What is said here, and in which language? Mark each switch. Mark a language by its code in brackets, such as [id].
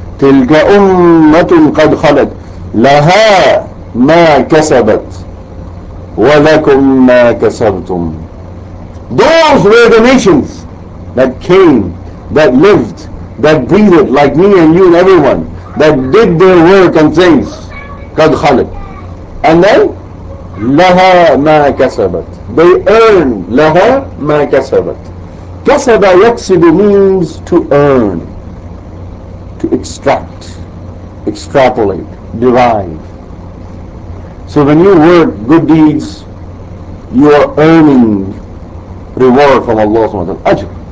[ar] تلك أمة قد خلت لها ما كسبت ولكم ما كسبتم. [en] Those were the nations that came, that lived, that breathed like me and you and everyone, that did their work and things. [ar] قد خلت. [en] And then [ar] لها ما كسبت. [en] They earned. [ar] لها ما كسبت. [en] كسب يكسب means to earn, to extract, extrapolate, derive. So when you work good deeds, you are earning reward from Allah subhanahu wa ta'ala, ajr.